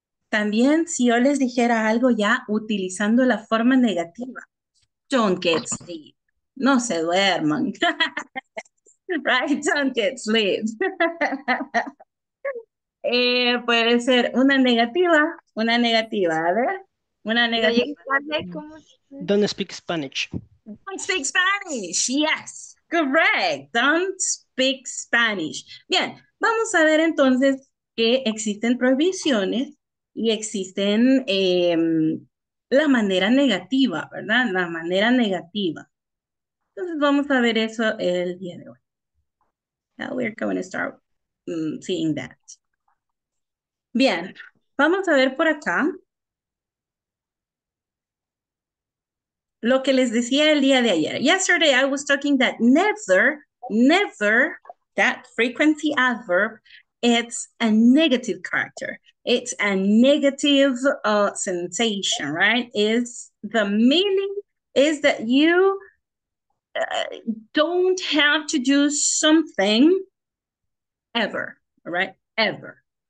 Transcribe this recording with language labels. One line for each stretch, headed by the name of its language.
Spanish: También si yo les dijera algo ya utilizando la forma negativa.
English: Don't get sleep.
Spanish: No se duerman.
English: Right, don't get sleep.
Spanish: puede ser una negativa, a ver, una negativa.
English: Don't speak Spanish. Don't speak Spanish, yes, correct, don't speak Spanish.
Spanish: Bien, vamos a ver entonces que existen prohibiciones y existen la manera negativa, ¿verdad? La manera negativa. Entonces vamos a ver eso el día de hoy.
English: Now we're going to start seeing that.
Spanish: Bien, vamos a ver por acá lo que les decía el día de ayer.
English: Yesterday I was talking that never, that frequency adverb, it's a negative character. It's a negative sensation, right? Is the meaning is that you don't have to do something ever, right? Ever.